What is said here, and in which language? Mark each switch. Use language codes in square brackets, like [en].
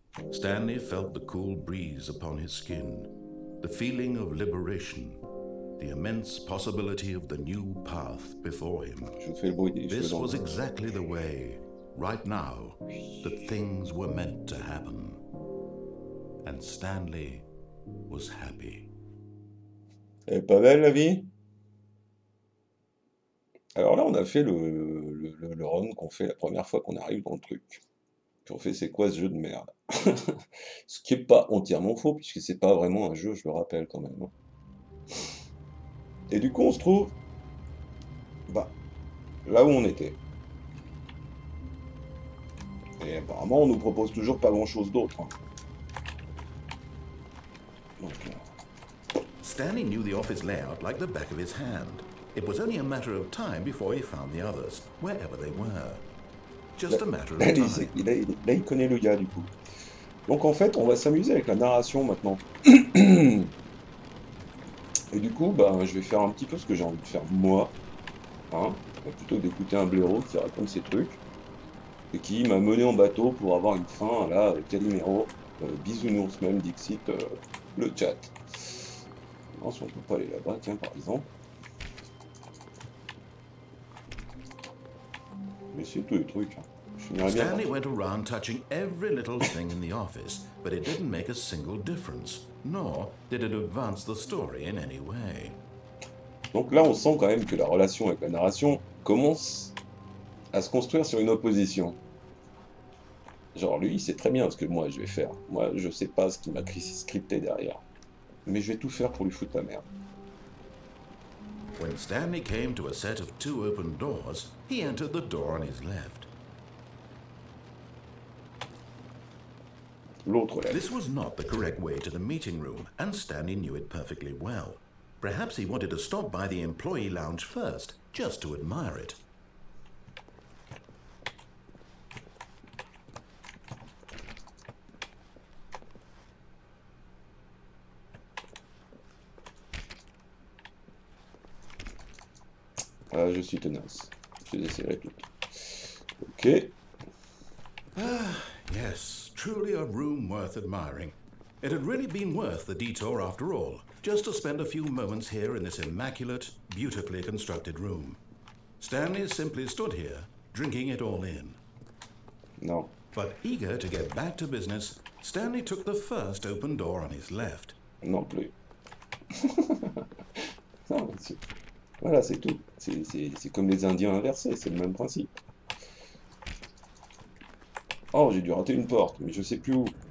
[en] Stanley felt the cool breeze upon his skin, the feeling of liberation, the immense possibility of the new path before him. This was exactly the way, right now, that things were meant to happen. And Stanley was happy. [fr] Elle est pas belle, la vie? Alors là, on a fait le run qu'on fait la première fois qu'on arrive dans le truc. Puis on fait, c'est quoi ce jeu de merde? Ce qui est pas entièrement faux, puisque c'est pas vraiment un jeu, je le rappelle quand même. Et du coup, on se trouve, bah, là où on était. Et apparemment, on nous propose toujours pas grand-chose d'autre. [en] Donc, Stanley knew the office layout like the back of his hand. It was only a matter of time before he found the others, wherever they were. Just a matter of time. [fr] Là, il connaît le gars, du coup. Donc, en fait, on va s'amuser avec la narration, maintenant. Et du coup, bah, je vais faire un petit peu ce que j'ai envie de faire, moi. Hein, plutôt que d'écouter un blaireau qui raconte ses trucs. Et qui m'a mené en bateau pour avoir une fin, là, avec Calimero. Bisounours, même, Dixit, le chat. Non, si on peut pas aller là-bas, tiens, par exemple. Mais c'est tous les trucs. [en] Stanley went around touching every little thing in the office, but it didn't make a single difference, nor did it advance the story in any way. [fr] Donc là, on sent quand même que la relation avec la narration commence à se construire sur une opposition. Genre, lui, il sait très bien ce que moi je vais faire. Moi, je sais pas ce qu'il m'a scripté derrière. Mais je vais tout faire pour lui foutre ma merde. [en] When Stanley came to a set of two open doors, he entered the door on his left. [fr] L'autre là. [en] This was not the correct way to the meeting room, and Stanley knew it perfectly well. Perhaps he wanted to stop by the employee lounge first, just to admire it. [fr] Je suis tenace. Je les essayerai toutes. Ok. [en] Ah, yes, truly a room worth admiring. It had really been worth the detour after all, just to spend a few moments here in this immaculate, beautifully constructed room. Stanley simply stood here, drinking it all in. [fr] Non. [en] But eager to get back to business, Stanley took the first open door on his left. [fr] Non plus. Non, monsieur. Voilà, c'est tout. C'est comme les Indiens inversés, c'est le même principe. Oh, j'ai dû rater une porte, mais je sais plus où.